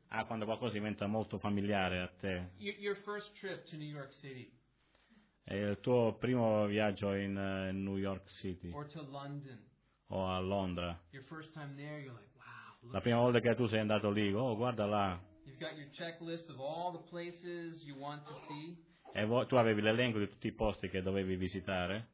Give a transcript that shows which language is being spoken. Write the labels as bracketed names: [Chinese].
[Italian] Ah, quando qualcosa diventa molto familiare a te. [English] Your first trip to New York City. [Italian] E il tuo primo viaggio in New York City. [English] Or to London. [Italian] O a Londra. [English] Your first time there, you're like, wow. [Italian] La prima volta che tu sei andato lì, oh, guarda là. [English] You've got your checklist of all the places you want to see. [Italian] E tu avevi l'elenco di tutti i posti che dovevi visitare.